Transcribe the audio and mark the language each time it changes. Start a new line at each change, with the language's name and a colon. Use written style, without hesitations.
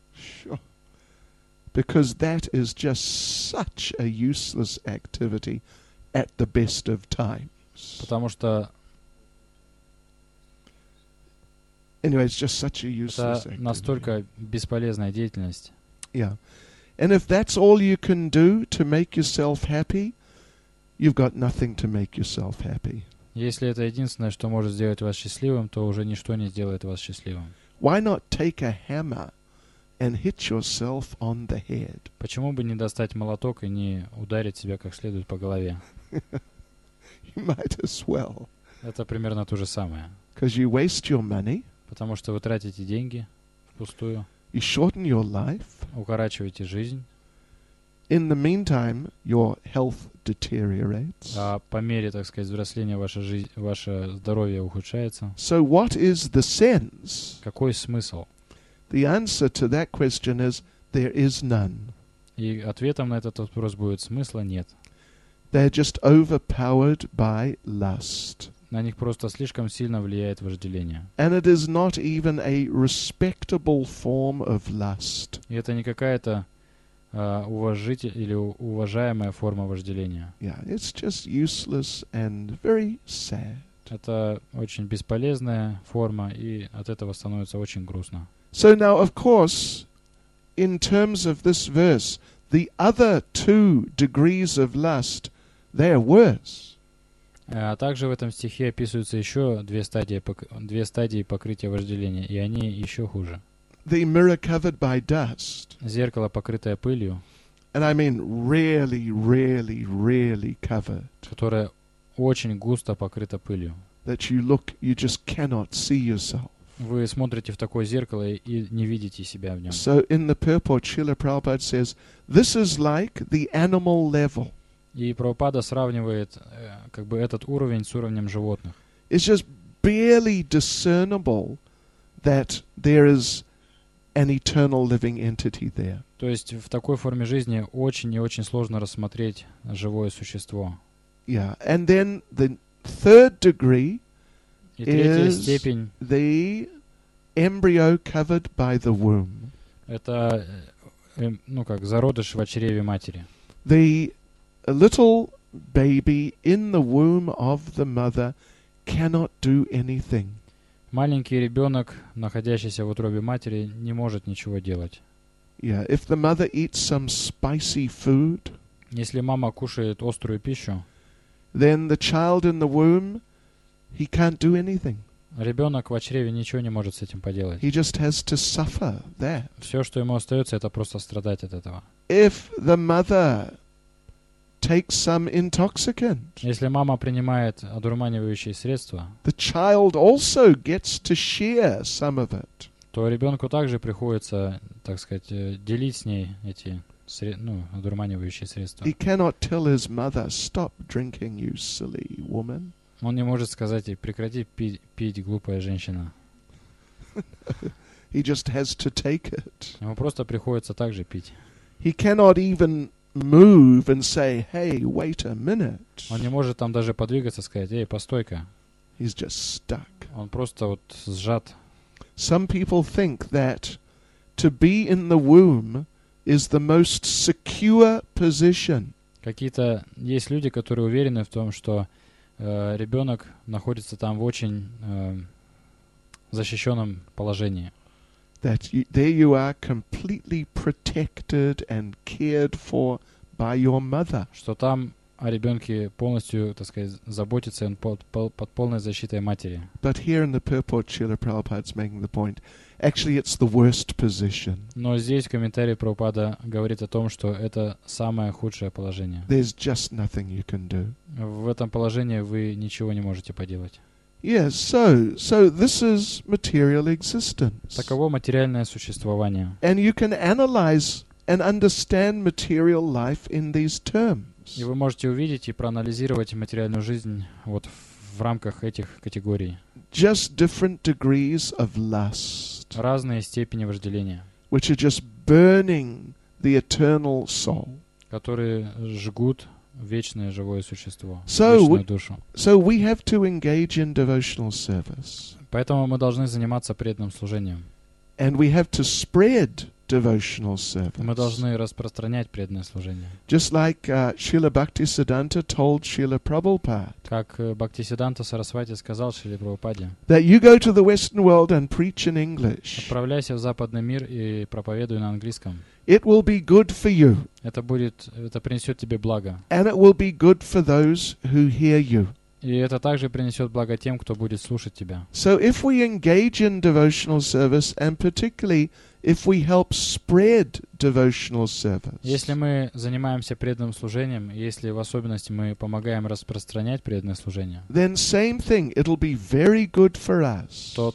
English: Sure. Because that is just such a useless activity at the best of times.
Russian: Потому что
English: anyway, it's just such a useless activity.
Russian: Это настолько бесполезная деятельность.
English: Yeah. And if that's all you can do to make yourself happy, you've got nothing to make yourself happy.
Russian: Если это единственное, что может сделать вас счастливым, то уже ничто не сделает вас счастливым.
English: Why not take a hammer and hit yourself on the head?
Russian: Почему бы не достать молоток и не ударить себя как следует по голове?
English: You might as well.
Russian: Это примерно то же самое.
English: Because you waste your money.
Russian: Потому что вы тратите деньги впустую.
English: You shorten your life.
Russian: Укорачиваете жизнь.
English: In the meantime, your health deteriorates.
Russian: А по мере, так сказать, взросления ваше здоровье ухудшается.
English: So what is the sense?
Russian: Какой смысл?
English: The answer to that question is there is none.
Russian: И ответом на этот вопрос будет: смысла нет.
English: They're just overpowered by lust.
Russian: На них просто слишком сильно влияет вожделение.
English: And it is not even a respectable form of lust.
Russian: И это не какая-то уважительная или уважаемая форма вожделения.
English: Yeah, it's just useless and very sad.
Russian: Это очень бесполезная форма, и от этого становится очень грустно.
English: So now, of course, in terms of this verse, the other two degrees of lust, they're worse.
Russian: А также в этом стихе описываются еще две стадии покрытия вожделения, и они еще хуже.
English: The mirror covered by dust.
Russian: Зеркало, покрытое пылью.
English: And I mean really, really, really covered.
Russian: Которое очень густо покрыто пылью.
English: That you look, you just cannot see yourself.
Russian: Вы смотрите в такое зеркало и не видите себя в нем.
English: So in the purport, Srila Prabhupada says, this is like the animal level.
Russian: И Прабхупада сравнивает как бы этот уровень с уровнем животных.
English: It's just barely discernible that there is an eternal living entity there.
Russian: То есть в такой форме жизни очень и очень сложно рассмотреть живое существо.
English: Yeah. And then the third degree.
Russian: is степень,
English: the embryo covered by the womb.
Russian: Это, ну, как зародыш в чреве матери.
English: The little baby in the womb of the mother cannot do anything.
Russian: Маленький ребенок, находящийся в утробе матери, не может ничего делать.
English: Yeah, if the mother eats some spicy food,
Russian: если мама кушает острую пищу,
English: then the child in the womb, he can't do anything.
Russian: Ребенок в чреве ничего не может с этим поделать.
English: He just has to suffer there.
Russian: Все, что ему остается, это просто страдать от этого.
English: If the mother takes some intoxicant,
Russian: если мама принимает одурманивающие средства,
English: the child also gets to share some of it.
Russian: То ребенку также приходится, так сказать, делить с ней эти одурманивающие средства.
English: He cannot tell his mother, "Stop drinking, you silly woman."
Russian: Он не может сказать ей, прекрати пить, глупая женщина.
English: He just has to take it.
Russian: Ему просто приходится так же пить.
English: He cannot even move and say, "Hey, wait a minute."
Russian: Он не может там даже подвигаться, сказать, эй, постой-ка.
English: He's just stuck.
Russian: Он просто вот сжат.
English: Some people think that to be in the womb is the most secure position.
Russian: Какие-то есть люди, которые уверены в том, что ребенок находится там в очень защищенном положении.
English: That there you are completely protected and cared for by your mother.
Russian: Что там о ребенке полностью, так сказать, заботится, он под полной защитой матери.
English: But here in the purport, Srila Prabhupada is making the point. Actually, it's the worst position.
Russian: Но здесь комментарий Прабхупада говорит о том, что это самое худшее положение.
English: There's just nothing you can do.
Russian: В этом положении вы ничего не можете поделать.
English: Yes, so this is material existence.
Russian: Таково материальное существование.
English: And you can analyze and understand material life in these terms.
Russian: И вы можете увидеть и проанализировать материальную жизнь вот в рамках этих категорий.
English: Just different degrees of lust.
Russian: Разные степени вожделения.
English: Which are just burning the eternal soul.
Russian: Которые жгут вечное живое существо, вечную душу.
English: So we have to engage in devotional service.
Russian: Поэтому мы должны заниматься преданным служением.
English: And we have to spread devotional service.
Russian: Мы должны распространять преданное служение.
English: Just like Srila Bhaktisiddhanta told Srila Prabhupada.
Russian: Как Бхактисиддханта Сарасвати сказал Шриле Прабхупаде.
English: That you go to the Western world and preach in English.
Russian: Отправляйся в западный мир и проповедуй на английском.
English: It will be good for you.
Russian: Это принесет тебе благо.
English: And it will be good for those who hear you.
Russian: И это также принесет благо тем, кто будет слушать тебя.
English: So if we engage in devotional service, and particularly if we help spread devotional service.
Russian: Если мы занимаемся преданным служением, если в особенности мы помогаем распространять преданное служение.
English: Then same thing, it'll be very good for us.